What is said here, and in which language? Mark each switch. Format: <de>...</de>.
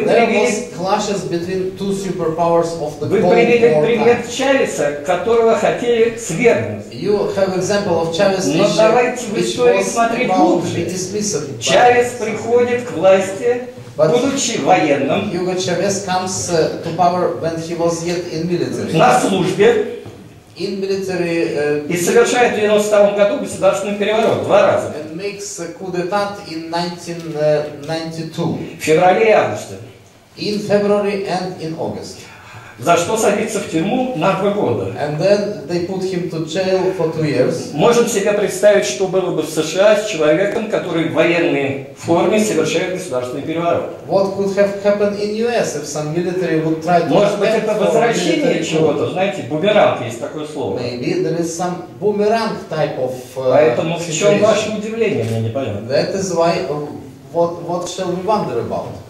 <en>there was clashes between two superpowers of the Cold War.</en> <ru>Вы привели пример Чавеса, которого хотели свергнуть.</ru> <en>You have example of Chavez.</en> <ru>Но давайте в истории смотреть лучше. Чавес приходит к власти, будучи военным.</ru> <en>Hugo Chavez comes to power when he was yet in military.</en> <ru>На службе.</ru> <en>In military.</en> <ru>И совершает в 1992 году государственный переворот два раза.</ru> <en>And makes a coup d'état in 1992.</en> <ru>В феврале и августе.</ru> <en>In February and in August.</en> <ru>За что садится в тюрьму на 2 года?</ru> <en>And then they put him to jail for 2 years.</en> <ru>Можем себе представить, что было бы в США с человеком, который в военной форме совершает государственный переворот.</ru> <en>What could have happened in US if some military would try to...</en> <ru>Может быть, это возвращение чего-то, знаете, бумеранг, есть такое слово.</ru> <en>Maybe there is some boomerang type of</en> <ru>Поэтому в чем ваше удивление, мне непонятно.</ru> <en>That is why, what shall we wonder about?</en>